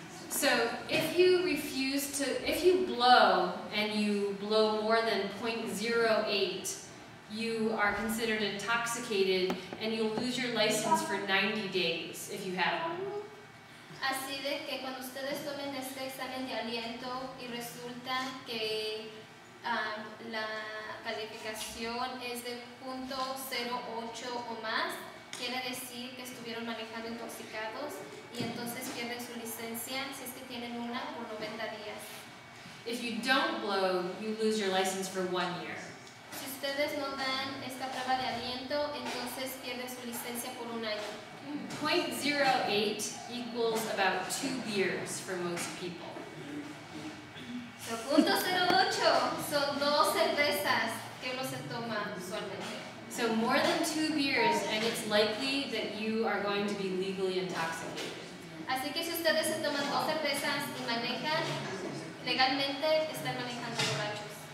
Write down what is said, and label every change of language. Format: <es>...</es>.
<en>So, if you blow, and you blow more than 0.08, you are considered intoxicated, and you'll lose your license for 90 days, if you have one.</en> <es>Así de que cuando ustedes tomen este examen de aliento y resulta que la calificación es de 0.08 o más, quiere decir que estuvieron manejando intoxicados y entonces pierden su licencia si es que tienen una por 90 días.</es> <en>If you don't blow, you lose your license for 1 year.</en> <es>Si ustedes no dan esta prueba de aliento, entonces pierden su licencia por un año.</es> <en>0.08 equals about 2 beers for most people.</en> <es>So 0.08 son dos cervezas que uno se toma usualmente.</es> <en>So more than 2 beers, and it's likely that you are going to be legally intoxicated.</en> <es>Así que si ustedes se toman dos cervezas y manejan, legalmente están manejando borrachos.</es>